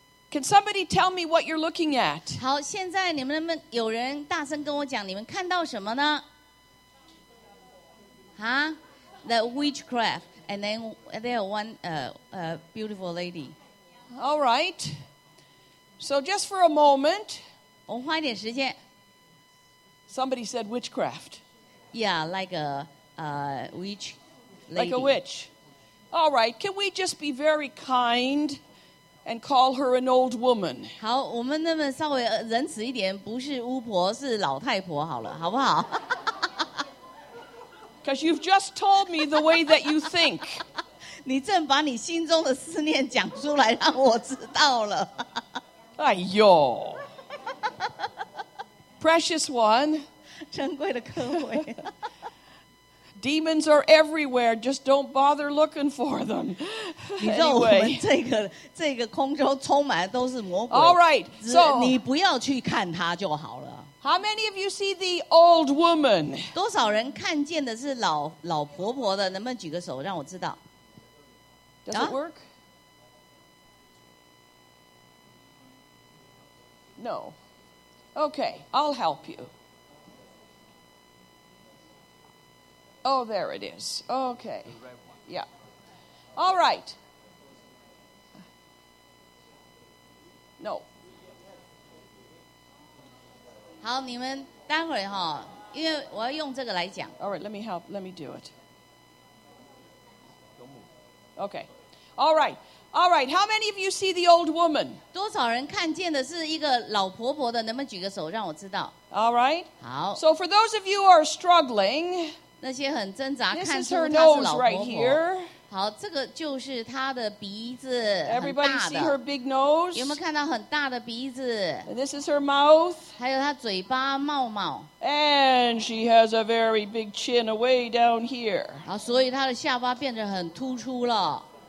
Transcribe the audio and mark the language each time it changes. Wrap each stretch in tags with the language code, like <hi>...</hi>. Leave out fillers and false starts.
<en>Can somebody tell me what you're looking at?</en> <zh>好，现在你们能不能有人大声跟我讲你们看到什么呢？</zh> <en>哈 ，The witchcraft, and then there one beautiful lady. All right. So just for a moment.</en> <zh>我花一点时间。</zh> <en>Somebody said witchcraft. Yeah, like a witch lady. Like a witch. All right. Can we just be very kind? And call her an old woman.</en> <zh>好，我们那么稍微仁慈一点，不是巫婆，是老太婆好了，好不好？</zh> <en>Because you've just told me the way that you think.</en> <zh>你正把你心中的思念讲出来，让我知道了。</zh> <en>哎呦 ，Precious one，</en> <zh>珍贵的客户。</zh> <en>Demons are everywhere. Just don't bother looking for them. Anyway,</en> <zh>这个空中充满都是魔鬼。</zh> <en>All right, so</en> <zh>你不要去看它就好了。</zh> <en>How many of you see the old woman?</en> <zh>多少人看见的是老婆婆的？能不能举个手让我知道</zh> <en>？Does it work? No. Okay, I'll help you. Oh, there it is. Okay. Yeah. All right. No.</en> <zh>好，你们待会儿哈，因为我要用这个来讲。</zh> <en>All right. Let me help. Let me do it. Okay. All right. All right. How many of you see the old woman?</en> <zh>多少人看见的是一个老婆婆的？能不能举个手让我知道</zh> <en>？All right.</en> <zh>好。</zh> <en>So for those of you who are struggling.</en> <zh>那些很挣扎</zh> <en>This</en> <zh>看出她是老婆婆、</zh> <en>right、</en> <zh>好这个就是她的鼻子</zh> <en>Everybody</en> <zh>很大的</zh> <en>see her big nose?</en> <zh>有没有看到很大的鼻子</zh> <en>This is her mouth.</en> <zh>还有她嘴巴冒冒</zh> <en>And she has a very big chin away down here.</en> <zh>好所以她的下巴变得很突出了</zh>